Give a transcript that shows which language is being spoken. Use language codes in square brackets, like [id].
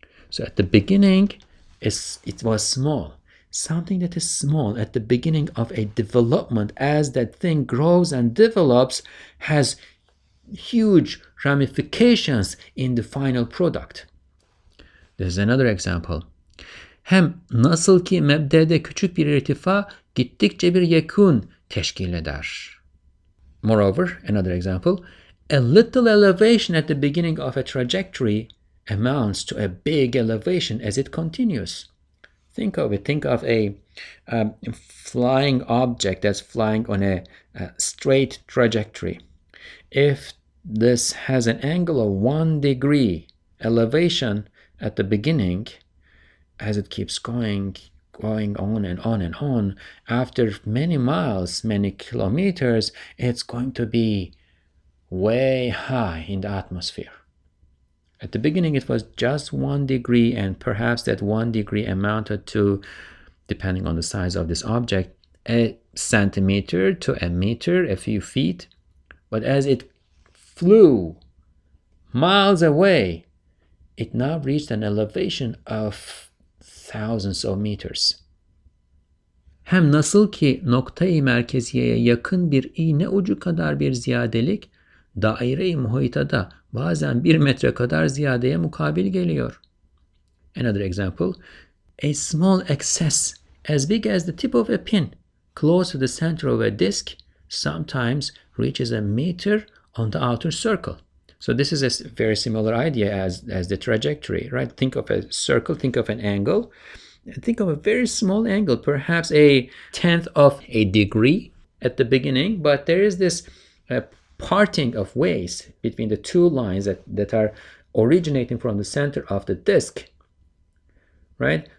[en] So at the beginning, it was small. Something that is small at the beginning of a development, as that thing grows and develops, has huge ramifications in the final product. This is another example. [tr] Hem nasıl ki mebde'de küçük bir irtifa gittikçe bir yekun teşkil eder. [en] Moreover, another example, a little elevation at the beginning of a trajectory amounts to a big elevation as it continues. Think of it. Think of a flying object that's flying on a straight trajectory. If this has an angle of 1 degree elevation at the beginning, as it keeps going on and on and on, after many miles, many kilometers, it's going to be way high in the atmosphere. At the beginning, it was just 1 degree, and perhaps that 1 degree amounted to, depending on the size of this object, a centimeter to a meter, a few feet. But as it flew miles away, it now reached an elevation of thousands of meters. [tr] Hem nasıl ki noktayı merkeziyeye yakın bir iğne ucu kadar bir ziyadelik, daire-i muhita da bazen 1 metre kadar ziyadeye mukabil geliyor. [en] Another example, a small excess, as big as the tip of a pin, close to the center of a disk, sometimes reaches a meter on the outer circle. So this is a very similar idea as the trajectory, right? Think of a circle, think of an angle, think of a very small angle, perhaps a tenth of a degree at the beginning, but there is this parting of ways between the two lines that are originating from the center of the disk, right?